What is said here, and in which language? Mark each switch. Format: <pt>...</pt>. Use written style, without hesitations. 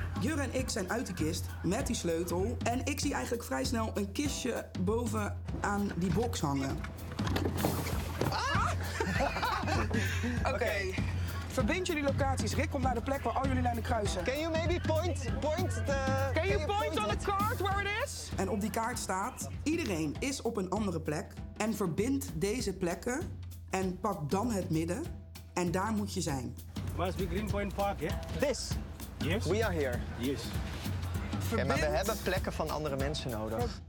<nl>Jur en ik zijn uit de kist, met die sleutel. En ik zie eigenlijk vrij snel een kistje boven aan die box hangen. Ah! Oké. Verbind jullie locaties. Rick komt naar de plek waar al jullie lijnen kruisen.</nl> <en>Can you maybe point the... Can you point on the card where it is?</en> <nl>En op die kaart staat, iedereen is op een andere plek. En verbind deze plekken en pak dan het midden. En daar moet je zijn.</nl> <en>Must be Greenpoint Park, hè? Yeah? This. Yes. We are here. Yes.</en> <nl>Verbind. Ja, maar we hebben plekken van andere mensen nodig.</nl>